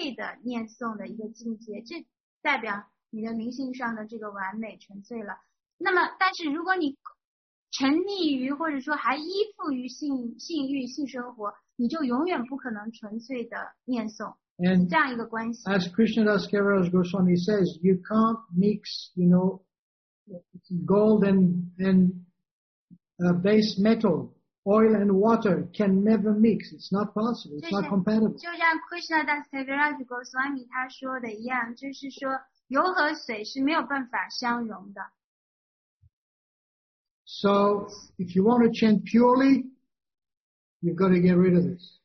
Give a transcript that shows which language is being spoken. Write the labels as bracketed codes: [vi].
[zh] 那我们怎么样来理解什么叫做灵性的进步呢？灵性进步的标志不是说你已经完全的摆脱了性欲啊性欲望，而是说你要达到一个纯粹的念诵的一个境界，这代表 你的灵性上的这个完美纯粹了。那么，但是如果你沉溺于或者说还依附于性欲、性生活，你就永远不可能纯粹的念诵，是这样一个关系。 [en] As Krishnadas Kaviraj Goswami says, you can't mix, you know, gold and base metal. Oil and water can never mix. It's not possible. It's not compatible. [zh] 就像 Krishnadas Kaviraj Goswami 他说的一样，就是说。油和水是没有办法相融的。 [en] So, if you want to chant purely, you've got to get rid of this.